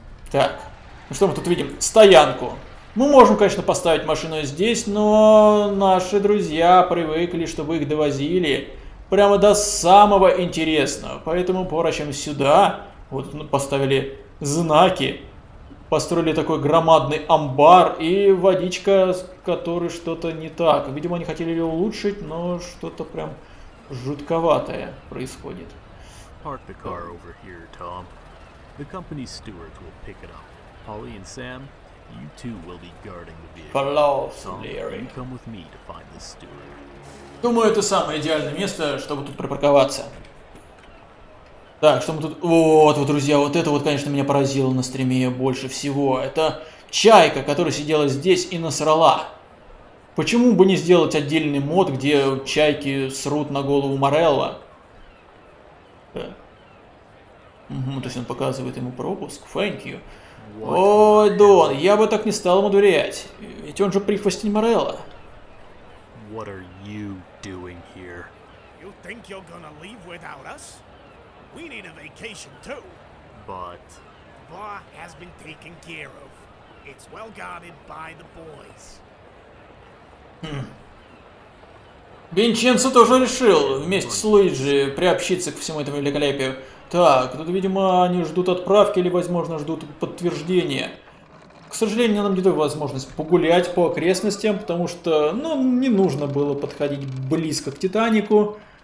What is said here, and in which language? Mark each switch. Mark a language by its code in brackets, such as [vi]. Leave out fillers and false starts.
[ru] Так, ну что мы тут видим? Стоянку. Мы можем, конечно, поставить машину здесь, но наши друзья привыкли, чтобы их довозили прямо до самого интересного. Поэтому поворачиваем сюда. Вот поставили знаки, построили такой громадный амбар и водичка, которой что-то не так. Видимо, они хотели ее улучшить, но что-то прям... жутковатое происходит. [en] Park the car over here, Tom. The company steward will pick it up. Polly and Sam, you two will be guarding the vehicle. [ru] Пожалуйста, [en] come with me to find the steward. [ru] Думаю, это самое идеальное место, чтобы тут припарковаться. Так, что мы тут... Вот, вот, друзья, вот это вот, конечно, меня поразило на стриме больше всего. Это чайка, которая сидела здесь и насрала. Почему бы не сделать отдельный мод, где чайки срут на голову Морелла? Угу, то есть он показывает ему пропуск. [en] Thank you. [ru] Ой, Дон, я бы так не стал ему доверять. Ведь он же прихвостень Морелла. [en] What are you doing here? You think you're gonna leave without us? We need a vacation too. But... The bar has been taken care of. It's well guarded by the boys. [ru] Винченцо тоже решил вместе с Луиджи приобщиться к всему этому великолепию. Так, тут, видимо, они ждут отправки или, возможно, ждут подтверждения. К сожалению, нам не дают возможность погулять по окрестностям, потому что, ну, не нужно было подходить близко к Титанику.